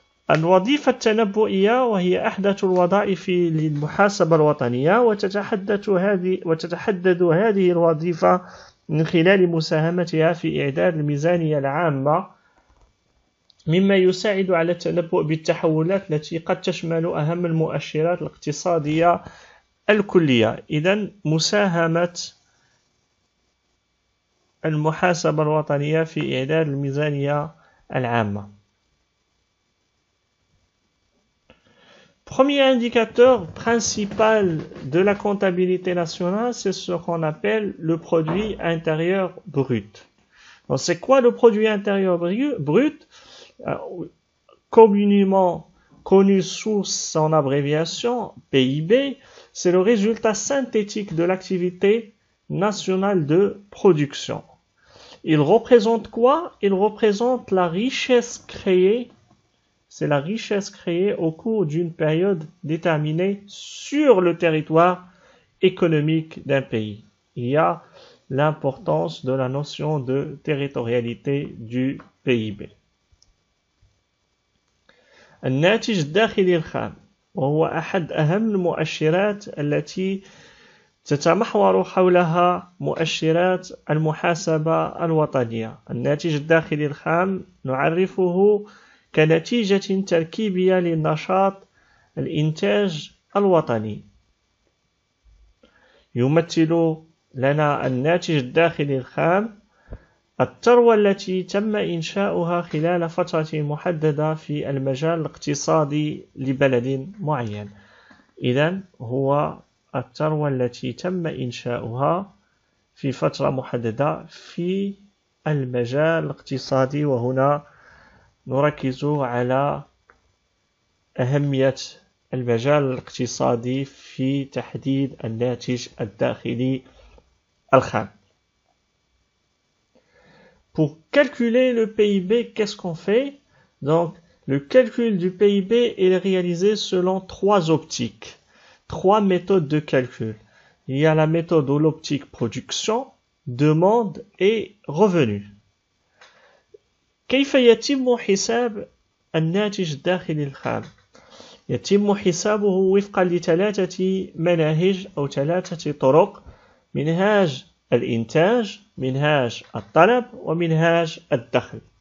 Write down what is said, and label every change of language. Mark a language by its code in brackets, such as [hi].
[ar] الوظيفة التنبؤية وهي أحدث الوظائف للمحاسبة الوطنية، وتتحدد هذه الوظيفة من خلال مساهمتها في إعداد الميزانية العامة، مما يساعد على التنبؤ بالتحولات التي قد تشمل أهم المؤشرات الاقتصادية الكلية. إذا مساهمة المحاسبة الوطنية في إعداد الميزانية العامة. [fr] Premier indicateur principal de la comptabilité nationale, c'est ce qu'on appelle le produit intérieur brut. Donc, c'est quoi le produit intérieur brut? Communément connu sous son abréviation PIB, c'est le résultat synthétique de l'activité nationale de production. Il représente quoi? Il représente la richesse créée. C'est la richesse créée au cours d'une période déterminée sur le territoire économique d'un pays. Il y a l'importance de la notion de territorialité du PIB. [ar] الناتج الداخلي الخام وهو أحد أهم المؤشرات التي تتمحور حولها مؤشرات المحاسبة الوطنية. الناتج الداخلي الخام نعرفه كنتيجة تركيبية للنشاط الإنتاج الوطني. يمثل لنا الناتج الداخلي الخام الثروة التي تم إنشاؤها خلال فترة محددة في المجال الاقتصادي لبلد معين. إذا هو الثروة التي تم إنشاؤها في فترة محددة في المجال الاقتصادي، وهنا نركز على أهمية المجال الاقتصادي في تحديد الناتج الداخلي الخام. [fr] Pour calculer le PIB, qu'est-ce qu'on fait? Donc, le calcul du PIB est réalisé selon trois optiques, trois méthodes de calcul. Il y a la méthode ou l'optique production, demande et revenu. [ar] كيف يتم حساب الناتج الداخلي الخام؟ يتم حسابه وفقا لثلاثة مناهج أو ثلاثة طرق: منهاج الإنتاج، منهاج الطلب، ومنهاج الدخل.